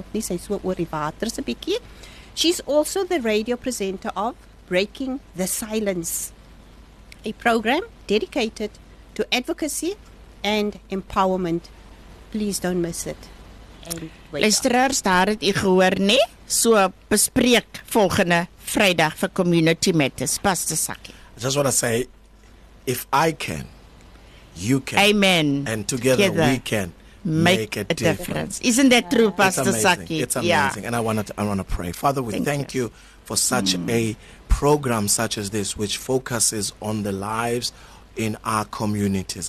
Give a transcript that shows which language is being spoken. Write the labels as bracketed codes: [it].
[en] She's also the radio presenter of Breaking the Silence, a program dedicated to advocacy and empowerment. Please don't miss it. [af] Luisteraars, daar het u gehoor, nee? So bespreek volgende Vrydag vir Community Matters. Pastor Sakkie. [en] I just want to say, if I can, you can. Amen. And together we can make a difference. Isn't that true, Pastor Sakkie? It's amazing. Yeah. And I want to pray. Father, we thank you for such a program such as this, which focuses on the lives in our communities.